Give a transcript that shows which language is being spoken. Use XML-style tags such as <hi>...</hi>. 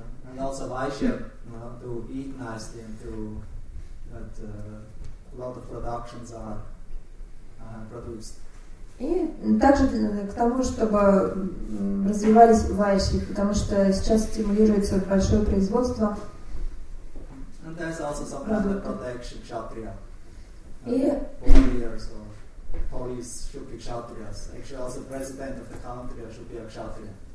<en>And also vaishya, to eat nicely and to that a lot of productions are produced.</en> <ru>И также к тому, чтобы развивались вайши, потому что сейчас стимулируется большое производство.</ru> <en>And there's also some kind of protection, kshatriya. Warriors or police should be kshatriyas. Actually, also president of the country should be a kshatriya.</en>